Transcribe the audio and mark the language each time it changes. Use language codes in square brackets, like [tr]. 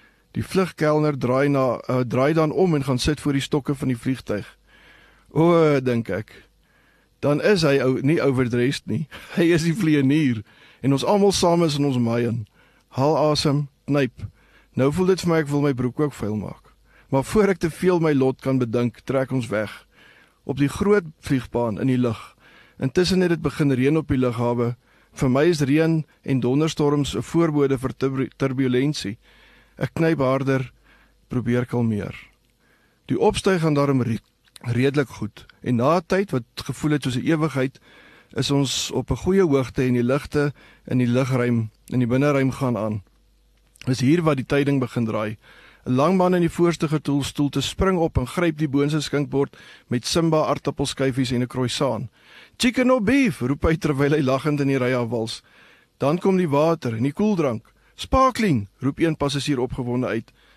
[af] Die vlugkelner draai dan om en gaan sit voor die stokke van die vliegtuig. O, dink ek. Dan is hy nie overdressed nie. Hy is die vlieënier en ons almal saam is in ons maaien. Haal asem, knyp. Nou voel dit vir my ek wil my broek ook vuil maak. Maar voor ek te veel my lot kan bedink, trek ons weg. Op die groot vliegbaan in die lug. Intussen het dit begin reën op die lughawe. Vir my is reën en donderstorms 'n voorbode vir turbulentie. Ek knyp harder, probeer kalmeer. Die opstyg gaan daarom redelik goed. En na 'n tyd wat gevoel het soos 'n ewigheid, is ons op 'n goeie hoogte en die ligte in die lugruim, in die binneruim gaan aan. Dis hier waar die tyding begin draai. 'n Lang man in die voorste gestoel te spring op en gryp die boonste skinkbord met Simba aartappelskyfies en 'n croissant. [en] "Chicken or beef?" [af] roep hy terwyl hy lachend in die rye afwals. Dan kom die water en die koeldrank. "Sparkling," roep een passasier opgewonde uit.